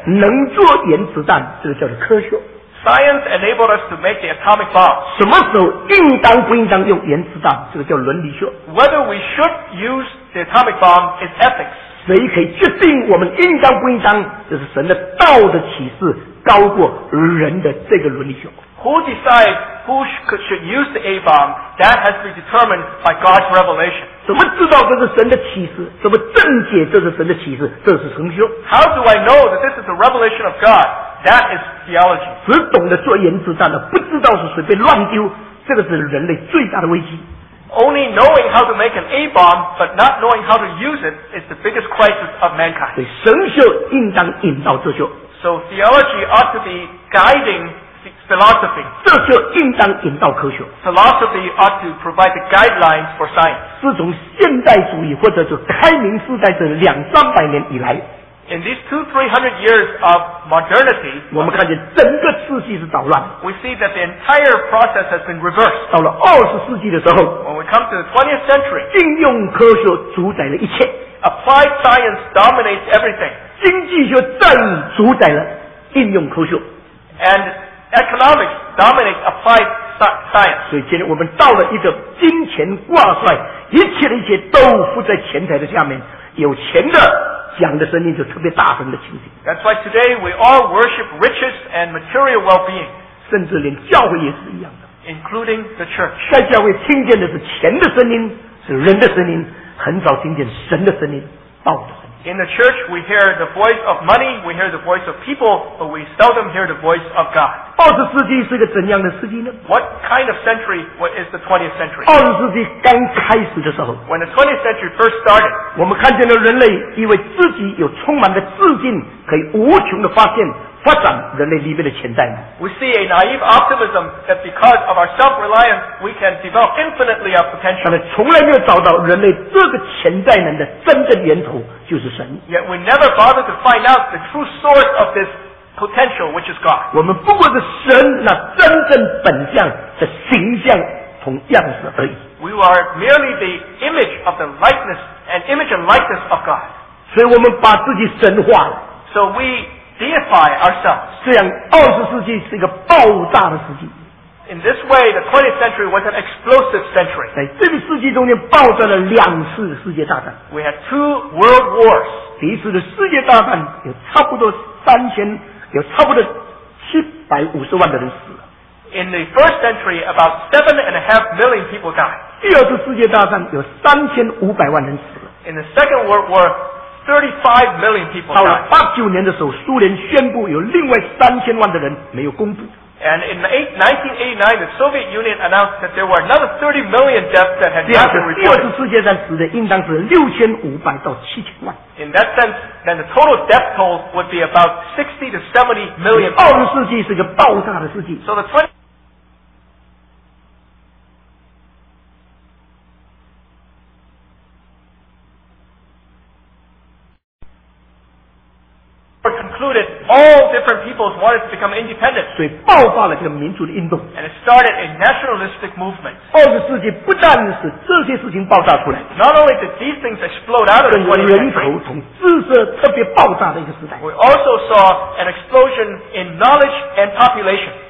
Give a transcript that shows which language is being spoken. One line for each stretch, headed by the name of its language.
Chinese: 能做原子弹，这个叫做科学。
English: Science enabled us to make the atomic bomb.
Chinese: 什么时候应当不应当用原子弹，这个叫伦理学。
English: Whether we should use the atomic bomb is ethics.
Chinese: 谁可以决定我们应当不应当，这是神的道的启示高过人的这个伦理学。
English: Who decides who should use the A-bomb? That has to be determined by God's revelation.
Chinese: 怎么知道这是神的启示？怎么证解这是神的启示？这是神学。
English: How do I know that this is the revelation of God? That is theology.
Chinese: 只懂得做原子弹的，不知道是随便乱丢，这个是人类最大的危机。
English: Only knowing how to make an A-bomb, but not knowing how to use it, is the biggest crisis of mankind.
Chinese: 所以神学应当引导哲学。
English: So theology ought to be guiding philosophy.
Chinese: 哲学应当引导科学。
English: Philosophy ought to provide the guidelines for science.
Chinese: 自从现代主义或者就开明世代这两三百年以来。
English: In these 200-300 years of modernity,
Chinese: 我们看见整个秩序是捣乱。
English: We see that the entire process has been reversed.
Chinese: 到了二十世纪的时候。
English: When we come to the 20th century,
Chinese: 应用科学主宰了一切。
English: Applied science dominates everything.
Chinese: 经济学再主宰了应用科学。
English: And economics dominates applied science.
Chinese: 所以今天我们到了一个金钱挂帅，一切的一切都附在钱财的下面，有钱的讲的声音就特别大声的情形。
English: That's why today we all worship riches and material well-being.
Chinese: 甚至连教会也是一样的。
English: Including the church.
Chinese: 在教会听见的是钱的声音，是人的声音，很少听见神的声音，道的声音。
English: In the church, we hear the voice of money, we hear the voice of people, but we seldom hear the voice of God.
Chinese: 二十世纪是一个怎样的世纪呢？
English: What kind of century is the 20th century?
Chinese: 二十世纪刚开始的时候。
English: When the 20th century first started,
Chinese: 我们看见了人类以为自己有充满的自信，可以无穷的发现发展人类里面的潜在。
English: We see a naive optimism that because of our self-reliance, we can develop infinitely our potential.
Chinese: 但是从来没有找到人类这个潜在能的真正源头就是神。
English: Yet we never bother to find out the true source of this potential, which is God.
Chinese: 我们不过是神那真正本相的形象同样子而已。
English: We are merely the image of the likeness, an image and likeness of God.
Chinese: 所以我们把自己神化了。
English: So we deify ourselves.
Chinese: 这样二十世纪是一个爆炸的世纪。
English: In this way, the 20th century was an explosive century.
Chinese: 在这个世纪中间爆炸了两次世界大战。
English: We had two world wars.
Chinese: 第一次的世界大战有差不多三千，有差不多750万的人死了。
English: In the first century, about 7.5 million people died.
Chinese: 第二次世界大战有3500万人死了。
English: In the second world war, 35 million people died.
Chinese: 到了89年的时候，苏联宣布有另外3000万的人没有公布。
English: And in 1989, the Soviet Union announced that there were another 30 million deaths that had not been reported.
Chinese: 第二次世界大战死的应当是6500到7000万。
English: In that sense, then the total death toll would be about 60 to 70 million.
Chinese: 二十世纪是一个爆炸的世纪。
English: So the 20th century concluded all different peoples wanted to become independent.
Chinese: 所以爆发了这个民族的运动。
English: And it started a nationalistic movement.
Chinese: 二十世纪不但是这些事情爆炸出来。
English: Not only did these things explode out of the 20th century.
Chinese: 人口从知识特别爆炸的一个时代。
English: We also saw an explosion in knowledge and population.